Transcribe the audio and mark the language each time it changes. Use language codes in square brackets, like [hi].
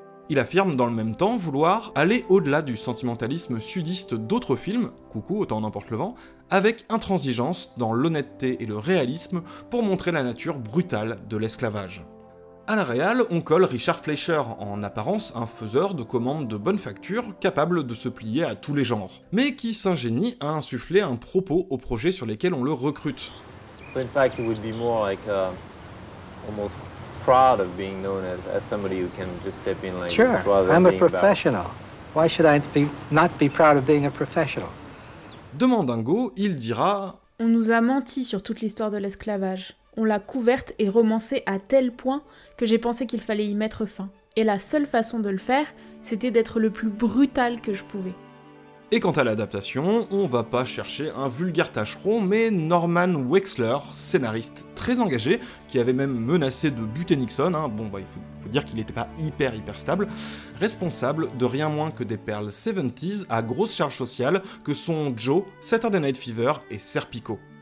[fr] Il affirme dans le même temps vouloir aller au-delà du sentimentalisme sudiste d'autres films, coucou, autant en emporte le vent, avec intransigeance dans l'honnêteté et le réalisme pour montrer la nature brutale de l'esclavage. À la réal, on colle Richard Fleischer, en apparence un faiseur de commandes de bonne facture, capable de se plier à tous les genres, mais qui s'ingénie à insuffler un propos au projet sur lesquels on le recrute. [en] So in fact, you would be more like almost proud of being known as somebody who can just step in like sure, rather than I'm being a professional. About... Why should I not be proud of being a professional? [fr] Demande Dingo, il dira. On nous a menti sur toute l'histoire de l'esclavage. On l'a couverte et romancée à tel point que j'ai pensé qu'il fallait y mettre fin. Et la seule façon de le faire, c'était d'être le plus brutal que je pouvais. Et quant à l'adaptation, on va pas chercher un vulgaire tâcheron, mais Norman Wexler, scénariste très engagé, qui avait même menacé de buter Nixon, hein, bon bah il faut dire qu'il était pas hyper stable, responsable de rien moins que des perles 70s à grosse charge sociale que sont Joe, Saturday Night Fever et Serpico.